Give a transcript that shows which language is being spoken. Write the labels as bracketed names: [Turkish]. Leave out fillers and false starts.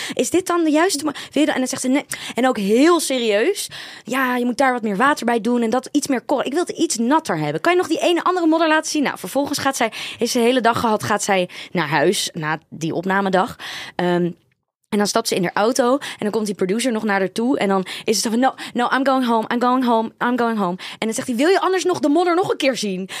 [Dutch] Is dit dan de juiste manier? En dan zegt ze nee. En ook heel serieus. Ja, je moet daar wat meer water bij doen en dat iets meer korrel. Ik wil het iets natter hebben. Kan je nog die ene andere modder laten zien? Nou, vervolgens is ze de hele dag gehad, gaat zij naar huis na die opnamedag. En dan stapt ze in haar auto en dan komt die producer nog naar haar toe. En dan is het zo van, [English] no, I'm going home, I'm going home, I'm going home. [Dutch] En dan zegt hij, wil je anders nog de modder nog een keer zien?